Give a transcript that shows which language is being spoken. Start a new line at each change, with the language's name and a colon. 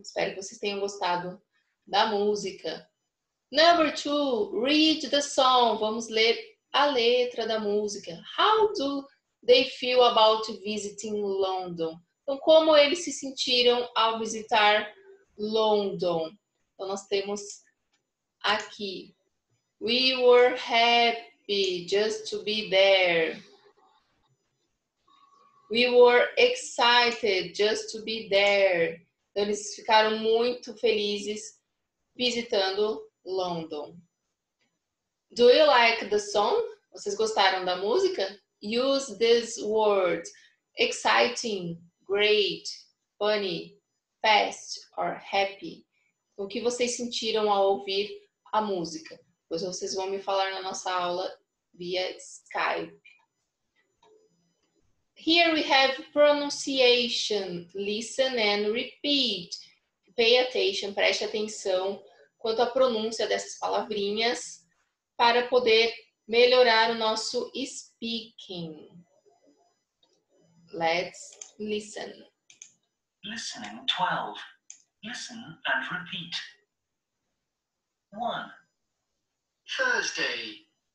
Portuguese: Espero que vocês tenham gostado da música.
English: Number two, read the song.
Portuguese: Vamos ler a letra da música.
English: How do they feel about visiting London?
Portuguese: Então, como eles se sentiram ao visitar London? Então, nós temos aqui.
English: We were happy just to be there. We were excited just to be there.
Portuguese: Então, eles ficaram muito felizes visitando London.
English: Do you like the song?
Portuguese: Vocês gostaram da música?
English: Use these words. Exciting, great, funny, fast or happy.
Portuguese: O que vocês sentiram ao ouvir a música? Pois vocês vão me falar na nossa aula via Skype.
English: Here we have pronunciation. Listen and repeat. Pay attention.
Portuguese: Preste atenção quanto à pronúncia dessas palavrinhas para poder melhorar o nosso speaking.
English: Let's listen. Listening 12. Listen and repeat. 1. Thursday.